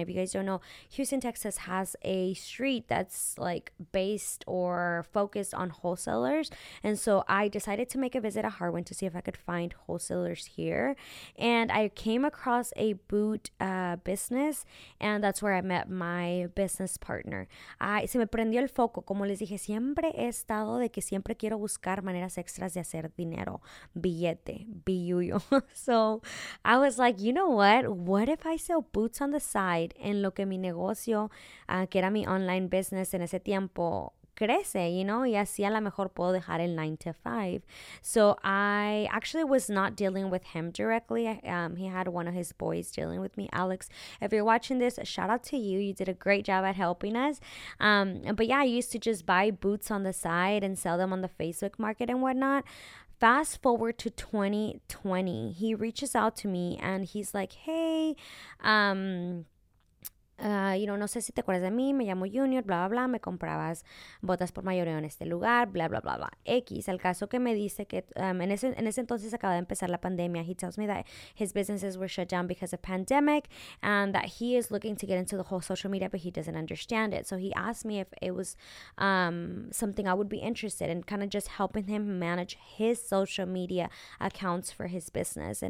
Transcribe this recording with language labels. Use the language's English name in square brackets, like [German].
[English] If you guys don't know, Houston, Texas has a street that's like based or focused on wholesalers. And so I decided to make a visit to Harwin to see if I could find wholesalers here. And I came across a boot business, and that's where I met my business partner. [Spanish] Ay, se me prendió el foco. Como les dije, siempre he estado de que siempre quiero buscar maneras extras de hacer dinero, billete, billuyo. [English] So I was like, you know what? What if I sell boots on the side [Spanish] en lo que mi negocio, que era mi online business en ese tiempo, crece, [English] you know, [Spanish] y así a lo mejor puedo dejar el 9-to-5. [English] So I actually was not dealing with him directly. He had one of his boys dealing with me. Alex, if you're watching this, shout out to you. You did a great job at helping us. But yeah, I used to just buy boots on the side and sell them on the Facebook market and whatnot. Fast forward to 2020, he reaches out to me and he's like, hey, you know, [Spanish] no sé si te acuerdas de mí, me llamo Junior, bla, bla, bla, me comprabas botas por mayoreo en este lugar, bla, bla, bla, bla, X. El caso que me dice que en ese entonces acababa de empezar la pandemia. [English] He tells me that his businesses were shut down because of pandemic and that he is looking to get into the whole social media, but he doesn't understand it. So he asked me if it was something I would be interested in, kind of just helping him manage his social media accounts for his business.